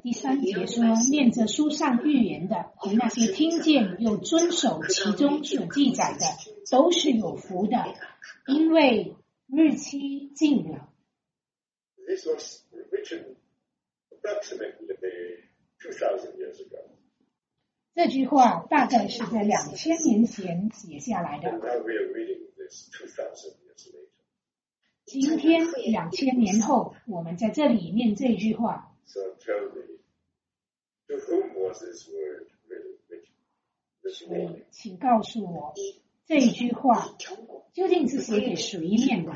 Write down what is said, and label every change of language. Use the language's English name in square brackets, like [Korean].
[Chinese] 第三节说，念着书上预言的和那些听见又遵守其中所记载的，都是有福的，因为日期近了。 [English] This was written approximately 2,000 years ago. [Chinese] 这句话大概是在2000年前写下来的。 [English] And now we are reading this 2,000 years later. [Chinese] 今天2000年后，我们在这里念这句话。 [English] So tell me, to whom was this word written? [Chinese] 请告诉我，这一句话究竟是写给谁念的？